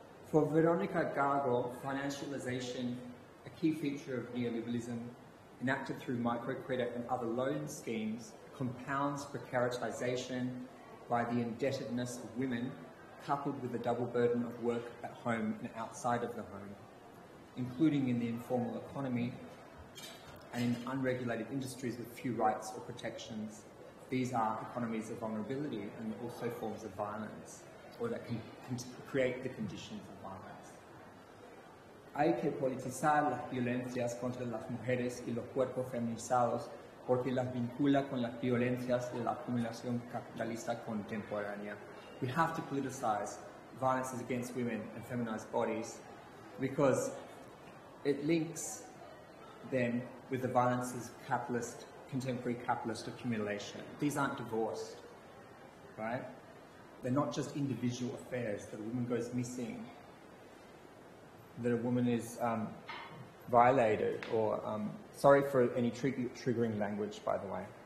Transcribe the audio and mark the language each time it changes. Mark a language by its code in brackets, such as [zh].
[en] For Verónica Gago, financialization, a key feature of neoliberalism, enacted through microcredit and other loan schemes, compounds precaritization by the indebtedness of women, coupled with the double burden of work at home and outside of the home, including in the informal economy and in unregulated industries with few rights or protections. These are economies of vulnerability and also forms of violence, or that can create the conditions of violence. [es] Hay que politizar las violencias contra las mujeres y los cuerpos feminizados porque las vincula con las violencias de la acumulación capitalista contemporánea. [en] We have to politicize violences against women and feminized bodies because it links them with the violences of capitalist, contemporary capitalist accumulation. These aren't divorced, right? They're not just individual affairs that a woman goes missing, that a woman is violated, or sorry for any triggering language, by the way.